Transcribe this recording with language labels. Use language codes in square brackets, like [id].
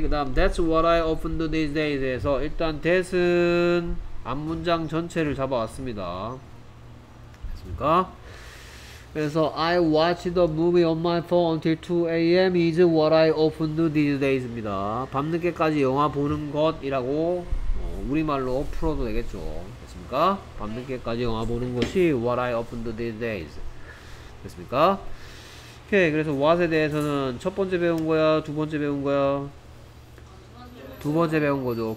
[ko] 그 다음, [en] That's what I often do these days. [ko] 에서 일단, that은 앞문장 전체를 잡아왔습니다. 됐습니까? 그래서, [en] I watched a movie on my phone until 2am is what I often do these days. [ko] 입니다. 밤늦게까지 영화 보는 것이라고, 어, 우리말로 풀어도 되겠죠. 됐습니까? 밤늦게까지 영화 보는 것이 [en] what I often do these days. [ko] 됐습니까? 오케이. 그래서 what에 대해서는 첫 번째 배운 거야? 두 번째 배운 거야? 두 번째 배운 거죠.